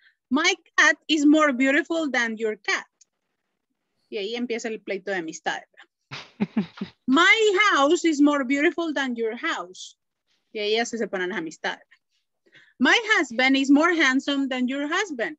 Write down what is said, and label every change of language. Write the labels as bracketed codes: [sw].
[en] My cat is more beautiful than your cat. [es] Y ahí empieza el pleito de amistad, ¿vea? [en] My house is more beautiful than your house. [es] Y ahí ya se separan las amistades. [en] My husband is more handsome than your husband.